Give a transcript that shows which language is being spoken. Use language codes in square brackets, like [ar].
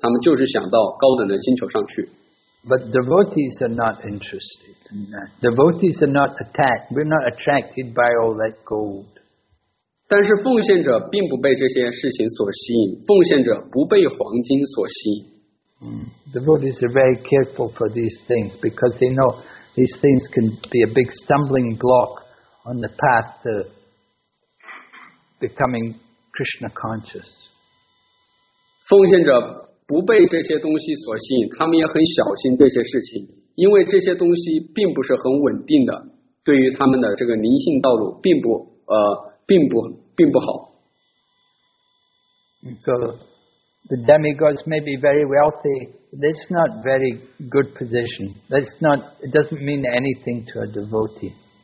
[zh] 当然有一些人他非常有兴趣有愿望想去到高等的星球上他们做一些祭祀牺牲他们就是想到高等的星球上去 [en] But devotees are not interested in that. Devotees are not attacked. We're not attracted by all that gold. [zh] 但是奉献者并不被这些事情所吸引奉献者不被黄金所吸引 [en] Devotees are very careful for these things because they know these things can be a big stumbling block on the path to becoming Krishna conscious. [zh] 奉献者不被这些东西所吸引，他们也很小心这些事情，因为这些东西并不是很稳定的，对于他们的这个灵性道路并不好。 [en] So the demigods may be very wealthy, but it's not very good position. That's not, it doesn't mean anything to a devotee.